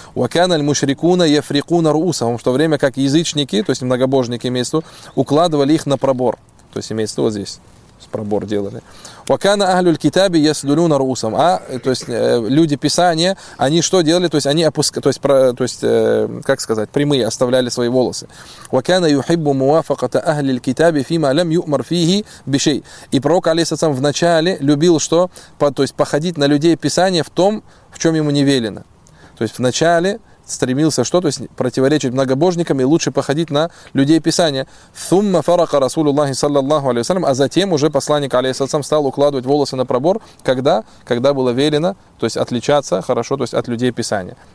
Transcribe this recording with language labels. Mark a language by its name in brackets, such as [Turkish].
[Arabic] Ва кана аль-мушрикуна яфрикуна руусахум, [Russian] в то время как язычники, то есть многобожники, имеется в виду, укладывали их на пробор. То есть имеется в виду вот здесь, пробор делали. [Arabic] Ва кана ахлюль китаби ясдулюна руусахум, [Russian] а, то есть люди писания, они что делали, то есть они опускали, то есть как сказать, прямые оставляли свои волосы. [Arabic] وكان يحب موافقه اهل الكتاب فيما لم يؤمر فيه بشيء. [Russian] И пророк алейхиссалям в начале любил что, то есть походить на людей писания в том, в чем ему не велено. То есть в начале стремился что, то есть противоречить многобожникам и лучше походить на людей писания. [Arabic] ثم فرق رسول الله صلى الله عليه وسلم, [Russian] а затем уже посланник алейхиссалям стал укладывать волосы на пробор, когда было велено, то есть отличаться хорошо, то есть от людей писания.